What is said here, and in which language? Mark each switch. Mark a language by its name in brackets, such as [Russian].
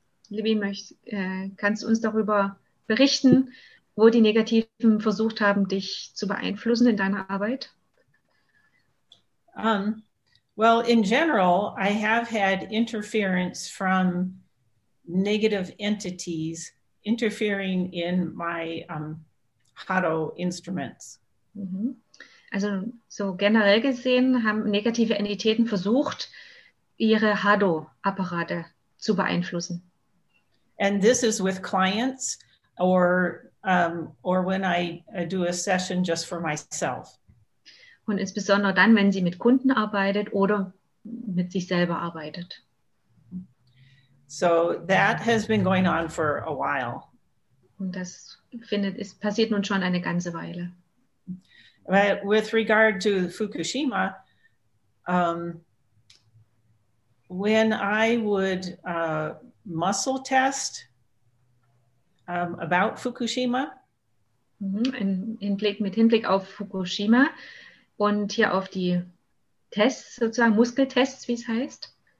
[German] Libby, kannst du uns darüber berichten, wo die Negativen versucht haben, dich zu beeinflussen in deiner Arbeit? [English] Well, in general, I have had interference from negative entities interfering in my Hado instruments. [German] Also so generell gesehen haben negative Entitäten versucht, ihre Hado-Apparate zu beeinflussen. [English] And this is with clients or when I do a session just for myself. [German] Und insbesondere dann, wenn sie mit Kunden arbeitet oder mit sich selber arbeitet. [English] So that has been going on for a while. [German] Und das passiert nun schon eine ganze Weile. [English] But with regard to Fukushima, when I would muscle test about Fukushima, [German] in Hinblick auf Fukushima und hier auf die Tests, sozusagen Muskeltests, wie es heißt.